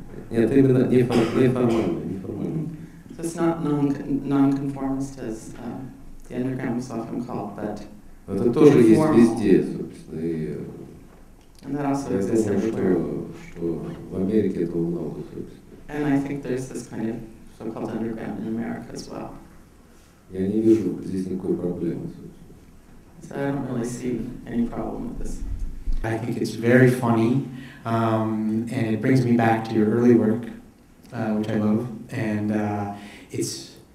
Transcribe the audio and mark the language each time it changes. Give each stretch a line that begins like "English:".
Russian: Нет, именно неформальный.
English: So it's not non-conformist, as the underground is often called, but
Russian: это тоже есть везде, собственно. И,
English: and that also exists everywhere.
Russian: Что в Америке этого много, собственно.
English: And I think there's this kind of so-called underground in America as well.
Russian: Я не вижу здесь никакой проблемы, собственно.
English: So I don't really see any problem with this. I think it's very funny, and it brings me back to your early work, which I love, and it's...